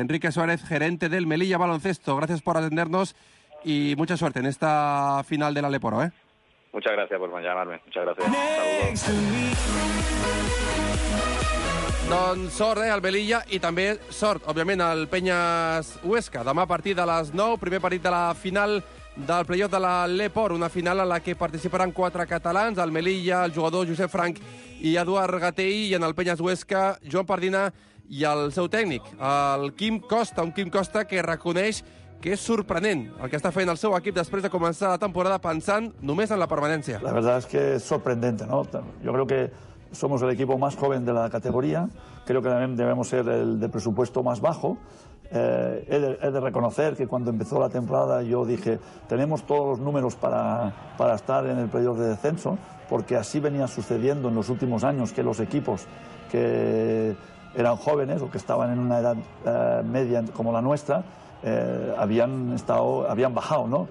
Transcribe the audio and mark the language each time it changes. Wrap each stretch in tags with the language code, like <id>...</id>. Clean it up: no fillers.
<es>Enrique Suárez, gerente del Melilla Baloncesto, gracias por atendernos y mucha suerte en esta final de la Leporo, ¿eh? Muchas gracias por llamarme, muchas gracias. Saludos.</es> <ca>Don Sord, al Melilla, y también Sord, obviamente, al Peñas Huesca. Demà partit a les 9, primer partit de la final del playoff de la Leporo, una final a la que participaran 4 catalans, al Melilla, el jugador Josep Franc i Eduard Gatell, i en el Peñas Huesca, Joan Pardina i el seu tècnic, el Quim Costa, un Quim Costa que reconeix que és sorprenent el que està fent el seu equip després de començar la temporada pensant només en la permanència.</ca> <es>La verdad es que es sorprendente, ¿no? Yo creo que somos el equipo más joven de la categoría, creo que también debemos ser el de presupuesto más bajo. He de reconocer que cuando empezó la temporada yo dije, tenemos todos los números para estar en el playoff de descenso, porque así venía sucediendo en los últimos años, que los equipos que eran jóvenes o que estaban en una edad media como la nuestra, habían bajado, ¿no?</es>